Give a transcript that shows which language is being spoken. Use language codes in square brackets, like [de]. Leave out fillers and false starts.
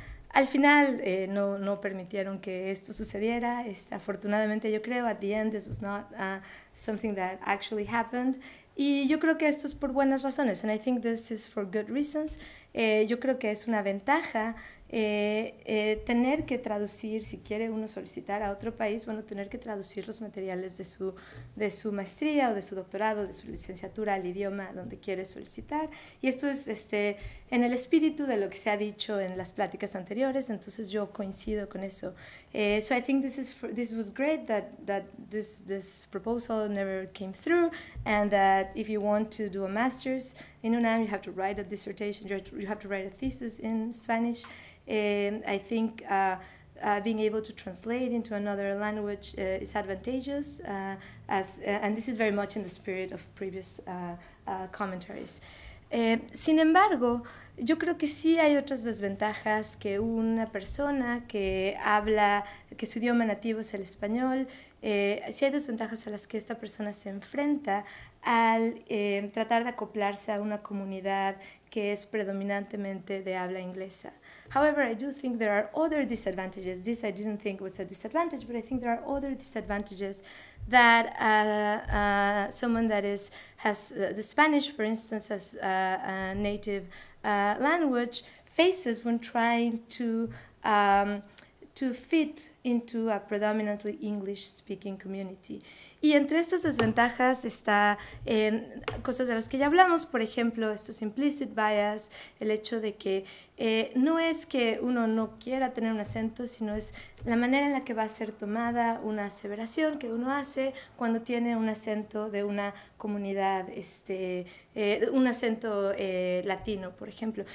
[es] Al final no permitieron que esto sucediera. Afortunadamente, yo creo, [en] at the end, this was not something that actually happened. [es] Y yo creo que esto es por buenas razones, [en] and I think this is for good reasons. [es] Yo creo que es una ventaja tener que traducir, si quiere uno solicitar a otro país, bueno, tener que traducir los materiales de su maestría o de su doctorado, de su licenciatura al idioma donde quiere solicitar. Y esto es en el espíritu de lo que se ha dicho en las pláticas anteriores, entonces yo coincido con eso. [en] So I think this was great that this proposal never came through, and that if you want to do a master's in UNAM, you have to write a dissertation, you have to write a thesis in Spanish. And I think being able to translate into another language is advantageous, and this is very much in the spirit of previous commentaries. [es] Sin embargo, yo creo que sí hay otras desventajas que una persona que habla, que su idioma nativo es el español, sí hay desventajas a las que esta persona se enfrenta al tratar de acoplarse a una comunidad que es predominantemente de habla inglesa. [en] However, I do think there are other disadvantages. This I didn't think was a disadvantage, but I think there are other disadvantages that someone that has the Spanish, for instance, as a native language, faces when trying to fit into a predominantly English-speaking community. [es] Y entre estas desventajas está en cosas de las que ya hablamos, por ejemplo, estos [en] implicit bias, [es] el hecho de que no es que uno no quiera tener un acento, sino es la manera en la que va a ser tomada una aseveración que uno hace cuando tiene un acento de una comunidad, un acento latino, por ejemplo.